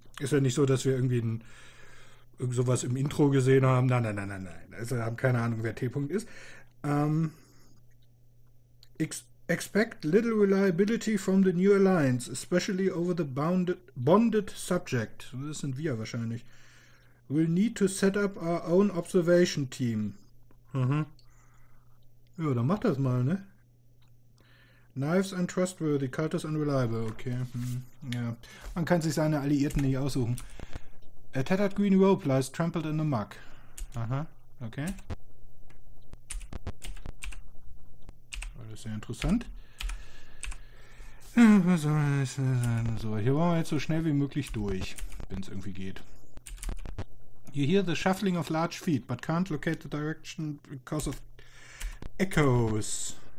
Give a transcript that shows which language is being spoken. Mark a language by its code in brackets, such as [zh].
[de] Ist ja nicht so, dass wir irgendwie irgend sowas im Intro gesehen haben. Nein, nein, nein, nein, nein. Also, wir haben keine Ahnung, wer T-Punkt ist. [en] Expect little reliability from the new alliance, especially over the bonded subject. [de] Das sind wir wahrscheinlich. [en] We'll need to set up our own observation team. [de] Ja, dann mach das mal, ne? [en] Knives untrustworthy, cutters unreliable. [de] Okay. Ja. Man kann sich seine Alliierten nicht aussuchen. [en] A tattered green robe lies trampled in the muck. Aha, okay. [de] Alles sehr interessant. So, hier wollen wir jetzt so schnell wie möglich durch, wenn es irgendwie geht. [en] You hear the shuffling of large feet, but can't locate the direction because of echoes.